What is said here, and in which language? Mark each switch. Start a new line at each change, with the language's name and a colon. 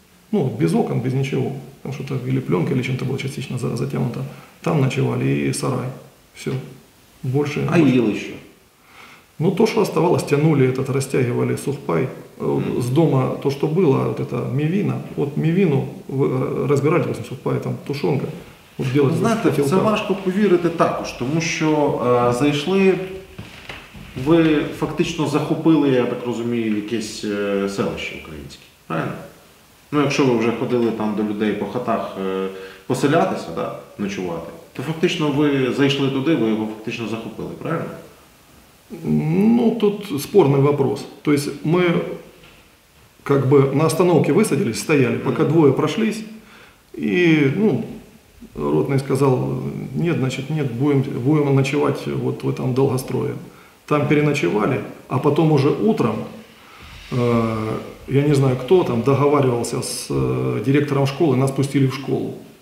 Russian: Ну, без окон, без ничего. Там что-то или пленка, или чем-то было частично затянуто. Там ночевали и сарай. Все. Больше. А ел еще? Ну, то, что оставалось, тянули этот, растягивали сухпай. С дома то, что было, вот это мивина. Вот мивину разбирали, вот сухпай, там тушенка. Вот делать, знаете,
Ukrainian: вот, це важко повірити також, тому що зайшли, ви фактично захопили, я так розумію, якесь селище українське. Правильно? Ну, якщо ви вже ходили там до людей по хатах поселятися, да, ночувати, то фактично ви зайшли туди, ви його фактично захопили, правильно?
Russian: Ну, тут спорный вопрос. То есть мы как бы на остановке высадились, стояли, пока двое прошлись. И, ну, ротный сказал, нет, значит, нет, будем ночевать вот в этом долгострое. Там переночевали, а потом уже утром, я не знаю кто там, договаривался с директором школы, нас пустили в школу.